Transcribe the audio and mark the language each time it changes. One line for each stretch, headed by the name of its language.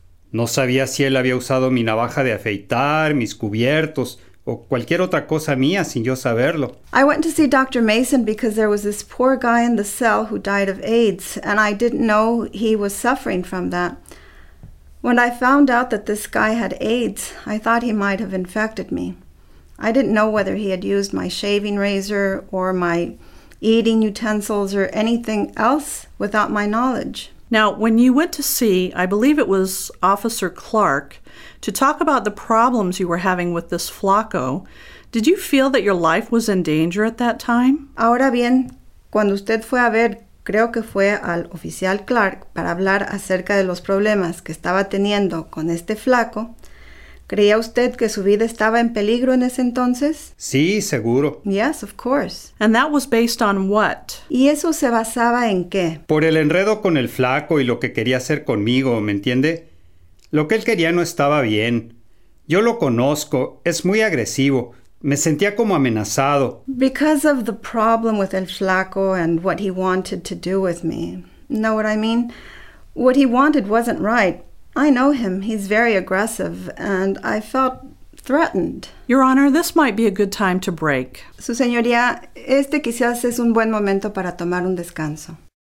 Spanish: No sabía si él había usado mi navaja de afeitar, mis cubiertos, o cualquier otra cosa mía sin yo saberlo.
English: I went to see Dr. Mason because there was this poor guy in the cell who died of AIDS, and I didn't know he was suffering from that. When I found out that this guy had AIDS, I thought he might have infected me. I didn't know whether he had used my shaving razor or my eating utensils or anything else without my knowledge. Now, when you went to see, I believe it was Officer Clark, to talk about the problems you were having with this flaco, did you feel that your life was in danger at that time?
Spanish: Ahora bien, cuando usted fue a ver, creo que fue al oficial Clark para hablar acerca de los problemas que estaba teniendo con este flaco, ¿creía usted que su vida estaba en peligro en ese entonces? Sí, seguro.
English: Yes, of course. And that was based on what?
Spanish: ¿Y eso se basaba en qué? Por el enredo con el flaco y lo que quería hacer conmigo, ¿me entiende? Lo que él quería no estaba bien. Yo lo conozco, es muy agresivo. Me sentía como amenazado.
English: Because of the problem with el flaco and what he wanted to do with me. Know what I mean? What he wanted wasn't right. I know him. He's very aggressive, and I felt threatened. Your Honor, this might be a good time to break.
Spanish: Su señoría, este quizás es un buen momento para tomar un descanso.